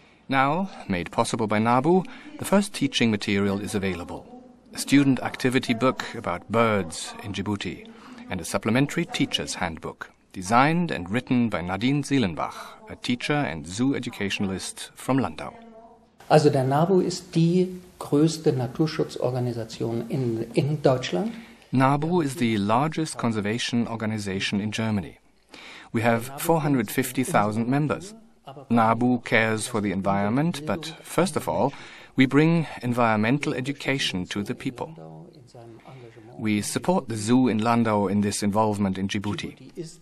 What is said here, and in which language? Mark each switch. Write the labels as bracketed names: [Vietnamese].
[English] Now, made possible by NABU, the first teaching material is available: a student activity book about birds in Djibouti, and a supplementary teacher's handbook, designed and written by Nadine Seelenbach, a teacher and zoo educationalist from Landau. [German] Also der NABU ist die größte Naturschutzorganisation in Deutschland. [English] NABU is the largest conservation organization in Germany. We have 450,000 members. NABU cares for the environment, but first of all, we bring environmental education to the people. We support the zoo in Landau in this involvement in Djibouti.